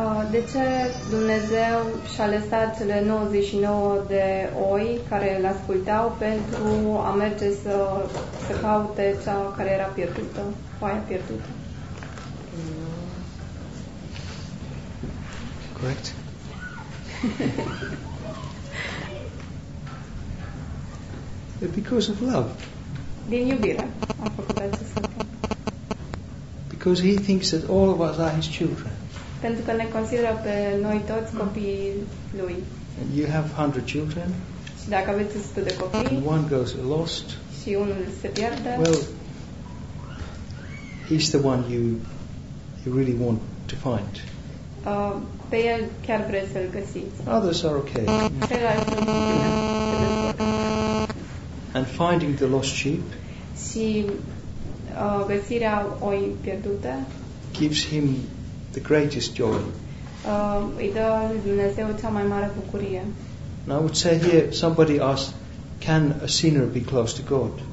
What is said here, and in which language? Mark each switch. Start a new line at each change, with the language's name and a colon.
Romanian: De ce Dumnezeu și-a lăsat cele 99 de oi care îl ascultau pentru a merge să caute cea care era pierdută, oaia pierdută?
English: Correct. Because of love.
Romanian: Din iubire a făcut acest lucru.
English: Because he thinks that all of us are his children.
Romanian: Pentru că ne consideră pe noi toți copiii lui.
English: And you have 100 children.
Romanian: Și dacă aveți 100 de copii.
English: And one goes lost.
Romanian: Și unul se pierde.
English: Well, he's the one you really want to find.
Romanian: Pe el chiar vreți să-l găsiți.
English: Others are okay.
Romanian: Ceilalți sunt bine.
English: And finding the lost sheep.
Romanian: Și găsirea oi pierdute.
English: Gives him the greatest joy.
Romanian: Îi dă Dumnezeu cea mai mare bucurie.
English: And I would say here, somebody asked, can a sinner be close to God?